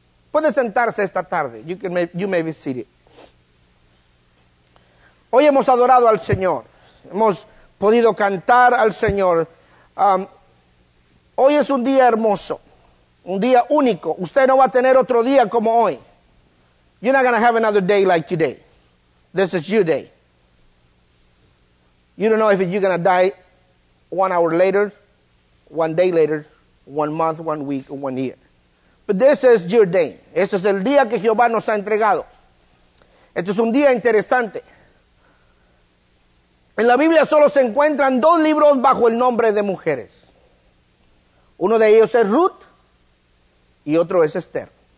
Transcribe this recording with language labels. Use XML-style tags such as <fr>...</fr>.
<es>Puede sentarse esta tarde.</es> <en>You may be seated.</en> <es>Hoy hemos adorado al Señor. Hemos podido cantar al Señor. Hoy es un día hermoso. Un día único. Usted no va a tener otro día como hoy.</es> <en>You're not going to have another day like today. This is your day. You don't know if you're going to die 1 hour later, 1 day later, 1 month, 1 week, or 1 year. But this is your day.</en> <es>Este es el día que Jehová nos ha entregado. Este es un día interesante. En la Biblia solo se encuentran dos libros bajo el nombre de mujeres. Uno de ellos es Ruth y otro es Esther.</es>